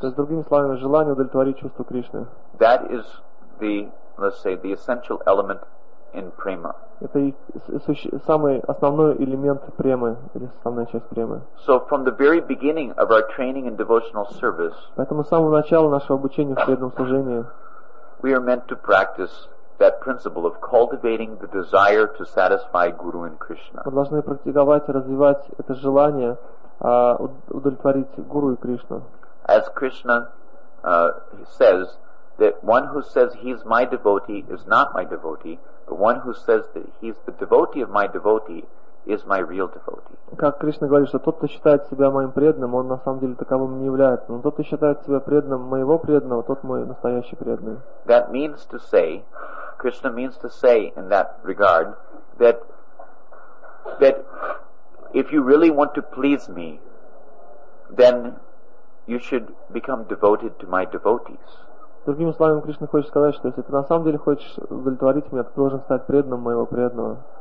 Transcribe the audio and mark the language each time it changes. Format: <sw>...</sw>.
<ru>То есть, другими словами, желание удовлетворить чувства Кришны.</ru> <en>That is the, let's say, the essential element in prema.</en> <ru>Это самый основной элемент премы, или основная часть премы.</ru> <en>So from the very beginning of our training in devotional service,</en> <ru>поэтому с самого начала нашего обучения в преданном служении,</ru> <en>we are meant to practice that principle of cultivating the desire to satisfy Guru and Krishna.</en> <ru>Мы должны практиковать и развивать это желание удовлетворить Гуру и Кришну.</ru> <en>As Krishna says, that one who says he's my devotee is not my devotee, but one who says that he's the devotee of my devotee is my real devotee.</en> <ru>Как Кришна говорит, что тот, кто считает себя моим преданным, он на самом деле таковым не является. Но тот, кто считает себя преданным моего преданного, тот мой настоящий преданный.</ru> <en>That means to say, Krishna means to say in that regard, that if you really want to please me, then you should become devoted to my devotees.</en> <ru>Другими словами, Кришна хочет сказать, что если ты на самом деле хочешь удовлетворить меня, ты должен стать преданным моего преданного.</ru>